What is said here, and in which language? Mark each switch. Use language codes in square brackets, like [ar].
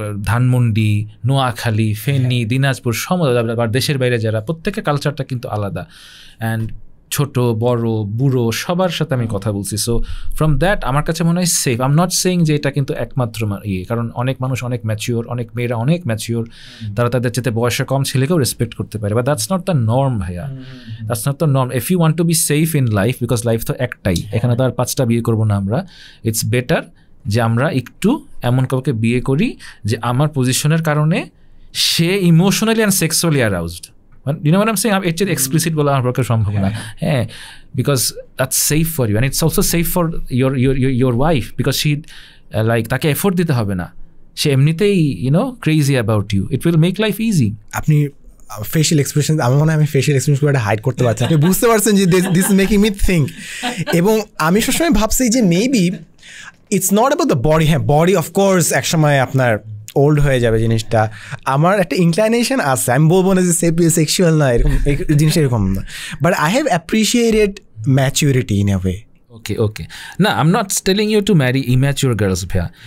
[bn] ধানমন্ডি নোয়াখালী ফেনী দিনাজপুর সমস্ত দেশের বাইরে যারা, প্রত্যেকের কালচারটা কিন্তু আলাদা, অ্যান্ড ছোট বড় বুড়ো সবার সাথে আমি কথা বলছি, সো ফ্রম দ্যাট আমার কাছে মনে হয় সেফ, [en] I'm not saying [bn] যে এটা কিন্তু একমাত্র ইয়ে, কারণ অনেক মানুষ অনেক ম্যাচিওর, অনেক মেয়েরা অনেক ম্যাচিওর, তারা তাদের চেতে বয়সে কম ছেলেকেও রেসপেক্ট করতে পারে, বা [en] that's not the norm [bn] ভাইয়া, [en] that's not the norm, if you want to be safe in life, [bn] because life তো একটাই, এখানে তো আর পাঁচটা বিয়ে করবো না আমরা, ইটস বেটার যে আমরা একটু এমন কাউকে বিয়ে করি যে আমার পজিশনের কারণে সে emotionally and sexually aroused, [en] You know what I'm saying? It's explicit [bn] bola amar pokkhe somvob na. [en] Yeah, because that's safe for you, and it's also safe for your wife, because she like take effort [bn] dite hobe na. [en] She emnitei, you know, crazy about you. It will make life easy. [bn] Apni facial expressions, আমার মনে হয় আমি facial expression করে একটা hide করতে পারছি, আপনি বুঝতে পারছেন যে [en] This is making me think. [bn] এবং আমি সবসময় ভাবছি যে [en] Maybe it's not about the body. [bn] হ্যাঁ, বডি অফকোর্স একসময় আপনার ওল্ড হয়ে যাবে জিনিসটা। আমার একটা ইনক্লাইনেশন আছে, আমি বলবো না যে সেপিওসেক্সুয়াল না, এরকম জিনিস এরকম না, [en] But I have appreciated maturity in a way. Okay, okay. Now, I'm not telling you to marry immature girls, bhaiya.